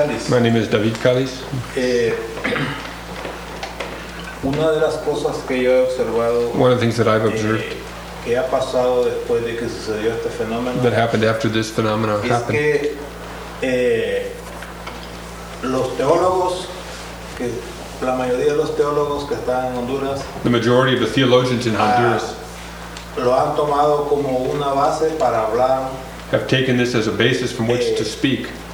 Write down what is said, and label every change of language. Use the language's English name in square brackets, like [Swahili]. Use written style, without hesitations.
[English] My name is David Calis. One of the things that I've observed that happened after this phenomenon happened. [Spanish] Los teólogos, que la mayoría de los teólogos que están en Honduras, [English] the majority of the theologians in Honduras, [Spanish] lo han tomado como una base para hablar, [English] have taken this as a basis from which to speak